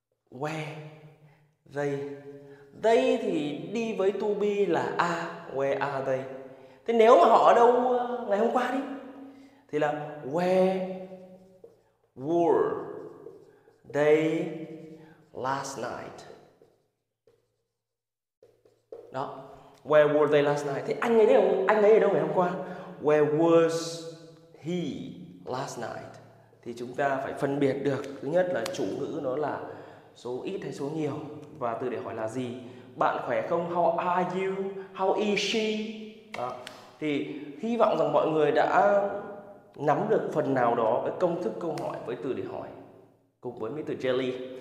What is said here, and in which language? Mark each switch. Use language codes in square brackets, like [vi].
[en] Where? They. They [vi] thì đi với [en] to be là are. Where are they? [vi] Thế nếu mà họ ở đâu ngày hôm qua đi thì là [en] where were they last night? Đó, where were they last night? [vi] Thì anh ấy đâu? Anh ấy ở đâu ngày hôm qua? [en] Where was he last night? [vi] Thì chúng ta phải phân biệt được, thứ nhất là chủ ngữ nó là số ít hay số nhiều, và từ để hỏi là gì? Bạn khỏe không? [en] How are you? How is she? Đó. [vi] Thì hy vọng rằng mọi người đã nắm được phần nào đó cái công thức câu hỏi với từ để hỏi cùng với Mr. Jelly.